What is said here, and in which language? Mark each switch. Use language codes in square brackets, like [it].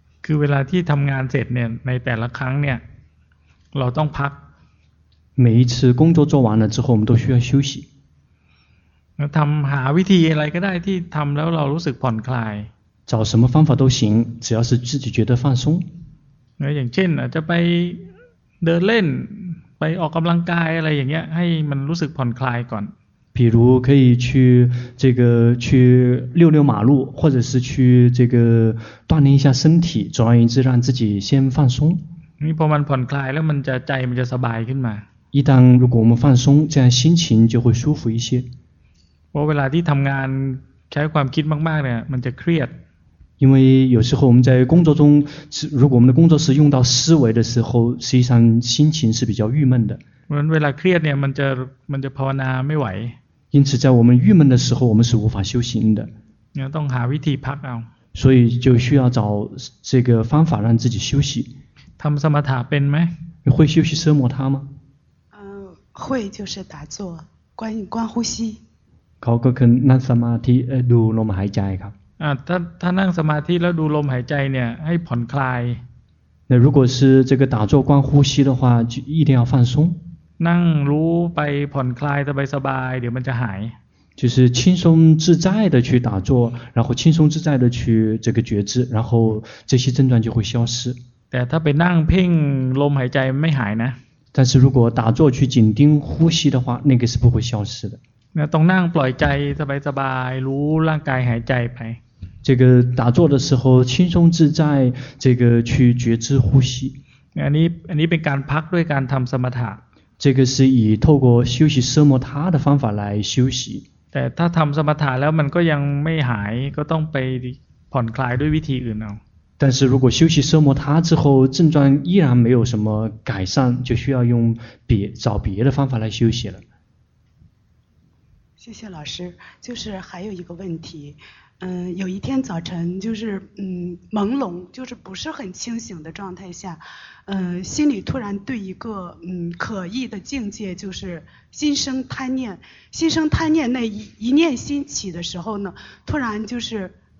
[th] อเวลาที่ทำงานเสร็จเนี่ยในแต่ละครั้งเนี่ยเราต้องพัก [zh] 每一次工作做完了之后我们都需要休息 [th] ทำหาวิธีอะไรก็ได้ที่ทำแล้วเรารู้สึกผ่อนคลาย [zh] 找什么方法都行只要是自己觉得放松 [th] อย่างเช่นจะไปเดินเล่นไปออกกำลังกายอะไรอย่างเงี้ยให้มันรู้สึกผ่อนคลายก่อน [zh] 比如可以去这个去溜溜马路或者是去这个锻炼一下身体总而言之让自己先放松 [th] นี่พอมันผ่อนคลายแล้วมันจะใจมันจะสบายขึ้นมา [zh] 一旦如果我们放松这样心情就会舒服一些 [th] เพราะเวลาที่ทำงานใช้ความคิดมากๆเนี่ยมันจะเครียด [zh] 因为有时候我们在工作中如果我们的工作是用到思维的时候实际上心情是比较郁闷的 [th] เพราะเวลาเครียดเนี่ยมันจะภาวนาไม่ไหว [zh] 因此在我们郁闷的时候我们是无法修行的 [th] ต้องหาวิธีพักเอา [zh] 所以就需要找这个方法让自己休息 [th] ทำสมถะเป็นไหม [zh] 你会休息奢摩他吗会就是打坐观呼吸 [th] เขาก็คือนั่งสมาธิดูลมหายใจครับ ถ้านั่งสมาธิแล้วดูลมหายใจเนี่ยให้ผ่อนคลาย [zh] 那如果是这个打坐观呼吸的话就一定要放松 [th] นั่งรู้ไปผ่อนคลายสบายๆเดี๋ยวมันจะหาย [zh] 就是轻松自在的去打坐然后轻松自在的去这个觉知然后这些症状就会消失 [th] แต่ถ้าไปนั่งเพ่งลมหายใจไม่หายนะ [zh] 但是如果打坐去紧盯呼吸的话那个是不会消失的 [th] ต้องนั่งปล่อยใจสบายๆรู้ร่างกายหายใจไป [zh] 这个打坐的时候轻松自在这个去觉知呼吸 [th] อันนี้เป็นการพักด้วยการทำสมถะ [zh] 这个是以透过休息奢摩他的方法来休息 [th] แต่ถ้าทำสมถะแล้วมันก็ยังไม่หายก็ต้องไปผ่อนคลายด้วยวิธีอื่นเอา [zh] 但是如果休息奢摩他之后症状依然没有什么改善就需要用别找别的方法来休息了谢谢老师就是还有一个问题有一天早晨就是朦胧就是不是很清醒的状态下心里突然对一个可疑的境界就是心生贪念那一念心起的时候呢突然就是